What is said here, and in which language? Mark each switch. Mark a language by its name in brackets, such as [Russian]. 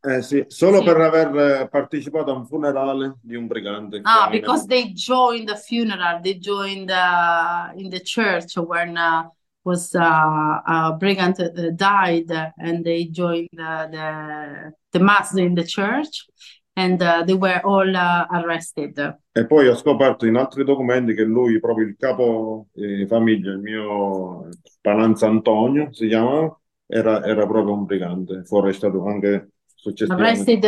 [Italian] Sì, solo per aver partecipato a un funerale di un brigante Ah, qua in [English] because [Italian] America. [English] they joined the funeral, they joined in the church when was a brigand died, and they joined the mass in the church, and they were all arrested. [Italian] E poi ho scoperto in altri documenti che lui, proprio il capo di famiglia, il mio Pananza Antonio, si chiamava, era proprio un brigante, fu arrestato anche successivamente.